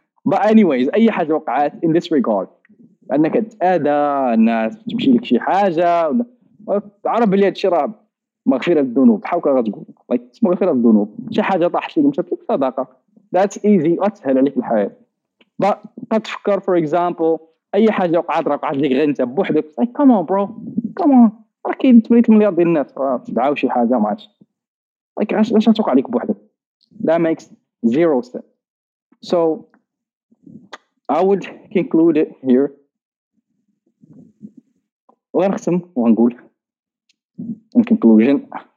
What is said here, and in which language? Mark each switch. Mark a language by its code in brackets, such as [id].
[en] but anyways [ar] اي حاجه وقعت [en] in this regard [ar] انك تأذى الناس تمشي لك شي حاجه عرف بلي هادشي راه مغفره الذنوب حاوك غتقول like مغفره الذنوب شي حاجه طاحت لك مشات لك صدقه [en] that's easy [ar] وتسهل عليك الحياه but تفكر [en] for example [ar] اي حاجه وقعت راه وقعت لك غير انت بوحدك [en] like come on bro come on [ar] راه كاين 8 مليار ديال الناس تبعوا شي حاجه ما عرفتش like علاش توقع عليك بوحدك [en] that makes Zero set. So I would conclude it here. [ar] ونختم ونقول [en] in conclusion.